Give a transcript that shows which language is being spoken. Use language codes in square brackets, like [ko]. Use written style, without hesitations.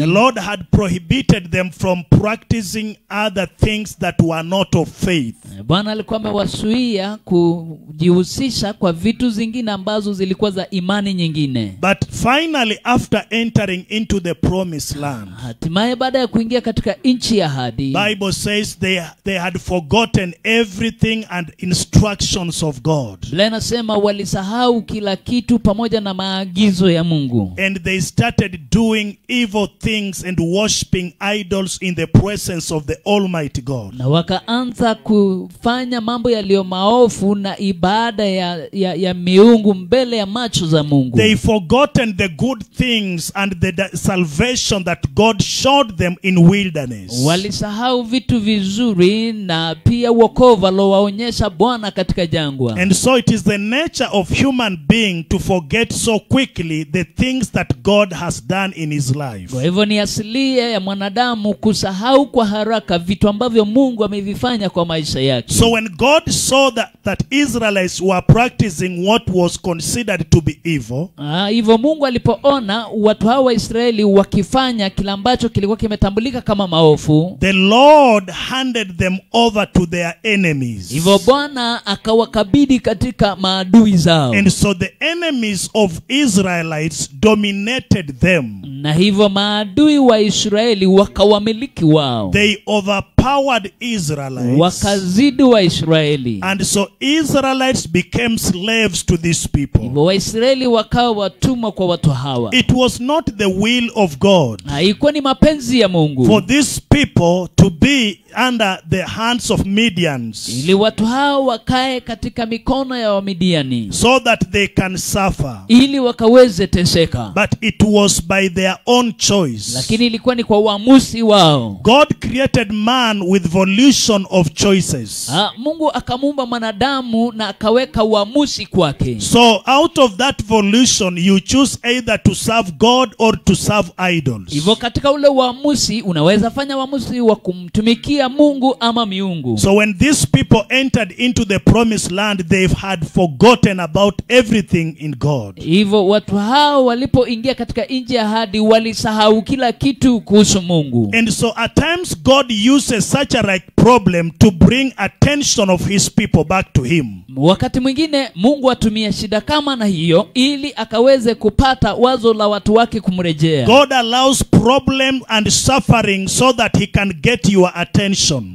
[en] the Lord had prohibited them from practicing other things that were not of faith. [sw] Bwana alikuwa amewazuia kujihusisha kwa vitu zingine ambazo zilikuwa za imani nyingine. [en] But finally, after entering into the promised land, [sw] hatimaye baada ya kuingia katika nchi ya ahadi, [en] Bible says they had forgotten everything and instructions of God. [sw] Lena sema walisahau kila kitu pamoja na maagizo ya Mungu. [en] And they started doing evil things and worshiping idols in the presence of the Almighty God. [sw] Na wakaanza kufanya mambo yaliyo maovu na ibada ya miungu mbele ya macho za Mungu. [en] They forgotten the good things and the salvation that God showed them in wilderness. [sw] Walisahau vitu vizuri na pia wokovu aliowaonyesha Bwana katika jangwa. [en] And so it is the nature of human being to forget so quickly the things that God has done in his life. [sw] Kwa hivyo ni asilia ya mwanadamu kusahau kwa haraka vitu ambavyo Mungu amevifanya kwa maisha yake. [en] So when God saw that Israelites were practicing what was considered to be evil, [sw] hivyo Mungu alipoona watu hao wa Israeli wakifanya kila ambacho kilikuwa kimetambulika kama maovu, [en] the Lord handed them over to their enemies. [sw] Hivyo Bwana akawakabidhi katika maadui zao. [en] And so the enemies of Israelites dominated them. [sw] Na hivyo maadui wa Israeli wakawamiliki wao. [en] They overpowered Israelites. [sw] Wakazidi wa Israeli. [en] And so Israelites became slaves to these people. [sw] Hivyo wa Israeli wakawa watumwa kwa watu hawa. [en] It was not the will of God. [sw] Haikuwa ni mapenzi ya Mungu. [en] For these people to be under the hands of Midians. [sw] Ili watu hao wakae katika mikono ya Wamidiani. [en] So that they can suffer. [sw] Ili wakaweze teseka. [en] But it was by their own choice. [sw] Lakini ilikuwa ni kwa uamuzi wao. [en] God created man with volition of choices. [sw] Mungu akamumba mwanadamu na akaweka uamuzi kwake. [en] So out of that volition you choose either to serve God or to serve idols. [sw] Hivyo katika ule uamuzi unaweza fanya uamuzi wa kumtumikia Mungu ama miungu. [en] So when these people entered into the promised land, they had forgotten about everything in God. [sw] Hivyo watu hao walipoingia katika nchi ya ahadi walisahau kila kitu kuhusu Mungu. [en] And so at times God uses such a like problem to bring attention of his people back to him. [sw] Wakati mwingine Mungu atumia shida kama na hiyo ili akaweze kupata wazo la watu wake kumrejea. [en] God allows problem and suffering so that he can get your attention.